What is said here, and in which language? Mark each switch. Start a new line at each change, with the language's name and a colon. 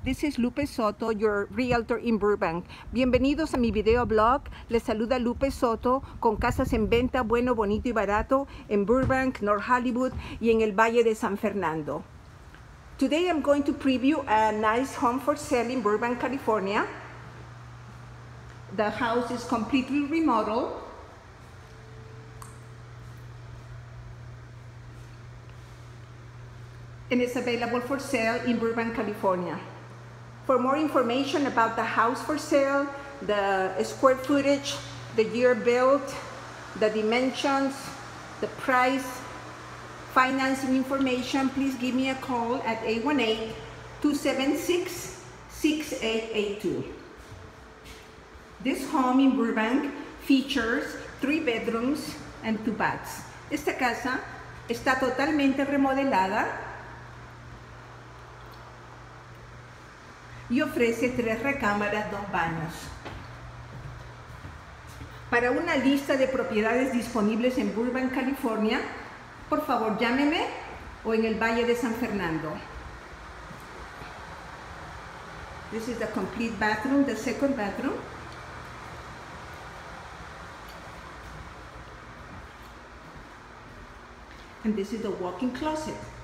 English: This is Lupe Soto, your realtor in Burbank.
Spanish: Bienvenidos a mi video blog. Les saluda Lupe Soto con casas en venta, bueno, bonito y barato en Burbank, North Hollywood y en el Valle de San Fernando.
English: Today I'm going to preview a nice home for sale in Burbank, California. The house is completely remodeled. And it's available for sale in Burbank, California. For more information about the house for sale, the square footage, the year built, the dimensions, the price, financing information, please give me a call at 818-276-6882. This home in Burbank features 3 bedrooms and 2 baths.
Spanish: Esta casa está totalmente remodelada y ofrece 3 recámaras, 2 baños. Para una lista de propiedades disponibles en Burbank, California, por favor llámeme o en el Valle de San Fernando.
English: This is the complete bathroom, the second bathroom. And this is the walk-in closet.